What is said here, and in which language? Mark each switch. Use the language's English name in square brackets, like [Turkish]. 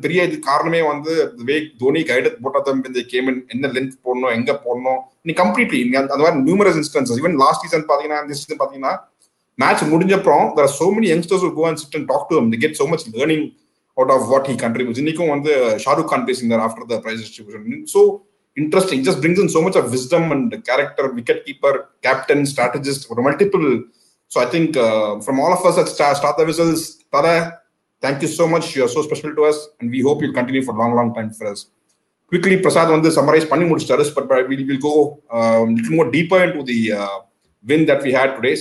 [English] The way Dhoni guided both of them when they came in, in the length, completely. There are numerous instances. Even last season and this season, match [Tamil] முடிஞ்ச அப்புறம் [English] there are so many youngsters who go and sit and talk to him, they get so much learning out of what he contributes. [Tamil] இன்னைக்கு வந்து ஷாருக் கான் பேசினார் [English] After the prize distribution, so interesting, just brings in so much of wisdom and character, wicket keeper, captain, strategist, or multiple. So I think from all of us at Start the Whistles, Tara, thank you so much, you are so special to us and we hope you'll continue for long time for us. Quickly Prasad [Tamil] வந்து [English] summarize [Tamil] பண்ணி முடிச்சாரு, [English] but we'll go little more deeper into the win that we had today.